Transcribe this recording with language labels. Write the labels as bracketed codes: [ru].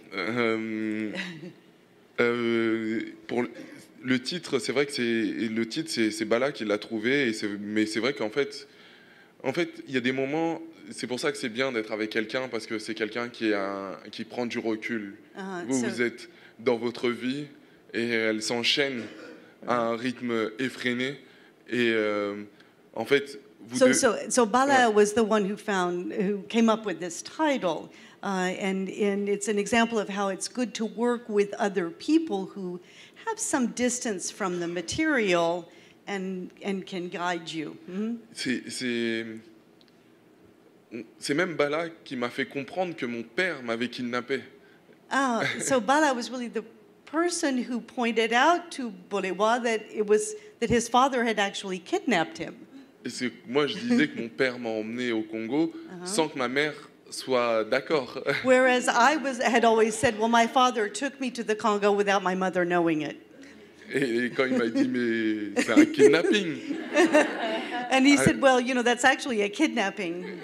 [fr] Pour le titre, c'est vrai que c'est Bala qui l'a trouvé, mais c'est vrai qu'en fait, il y a des moments, c'est pour ça que c'est bien d'être avec quelqu'un, parce que c'est quelqu'un qui prend du recul. Vous êtes dans votre vie et elle s'enchaîne à un rythme effréné. Et en fait, [en] Bala was the one who came up with this title. And it's an example of how it's good to work with other people who have some distance from the material and can guide you. Mm-hmm. [fr] C'est même Bala qui m'a fait comprendre que mon père m'avait kidnappé. [en] Ah, so Bala was really the person who pointed out to Bolewa that it was that his father had actually kidnapped him. [fr] Et c'est moi je disais que mon père m'a emmené au Congo sans que ma mère soit d'accord. [en] Whereas I had always said, well, my father took me to the Congo without my mother knowing it. [fr] Et quand il m'a dit, mais c'est un kidnapping. [en] And he said, well, you know, that's actually a kidnapping.